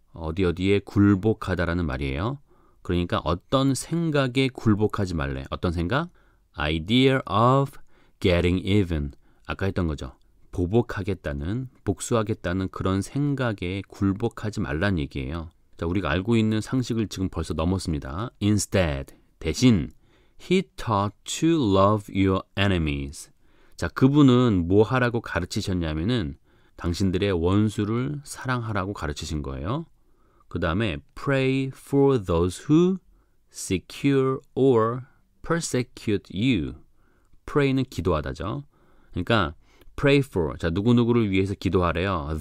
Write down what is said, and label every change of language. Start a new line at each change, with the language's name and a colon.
Korean: 어디 어디에 굴복하다라는 말이에요. 그러니까 어떤 생각에 굴복하지 말래. 어떤 생각?
English: idea of getting even.
Korean: 아까 했던 거죠. 보복하겠다는, 복수하겠다는 그런 생각에 굴복하지 말란 얘기예요. 자, 우리가 알고 있는 상식을 지금 벌써 넘었습니다.
English: Instead,
Korean: 대신
English: He taught to love your enemies.
Korean: 자, 그분은 뭐 하라고 가르치셨냐면은 당신들의 원수를 사랑하라고 가르치신 거예요. 그 다음에
English: Pray for those who secure or persecute you.
Korean: Pray는 기도하다죠. 그러니까 Pray for, 자, 누구누구를 위해서 기도하래요.